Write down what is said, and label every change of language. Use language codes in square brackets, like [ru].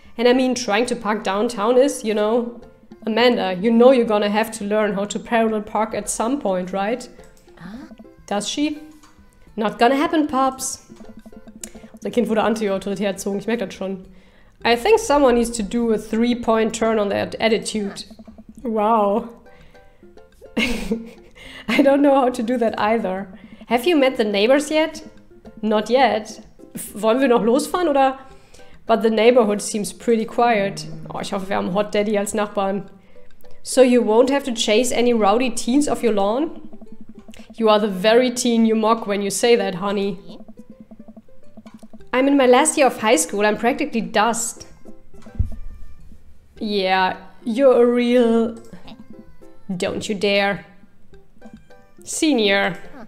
[en] And I mean, trying to park downtown is, you know... Amanda, you know you're gonna have to learn how to parallel park at some point, right? Does she? Not gonna happen, Pops. [de] Unser Kind wurde anti-autoritär erzogen, ich merke das schon. [en] I think someone needs to do a 3-point turn on that attitude. Wow. I don't know how to do that either. Have you met the neighbors yet? Not yet. [de] Wollen wir noch losfahren, oder? [en] But the neighborhood seems pretty quiet. [de] Oh, ich hoffe, wir haben Hot Daddy als Nachbarn. [en] So you won't have to chase any rowdy teens off your lawn? You are the very teen you mock when you say that, honey. I'm in my last year of high school. I'm practically dust. Yeah, you're a real... Don't you dare. Senior.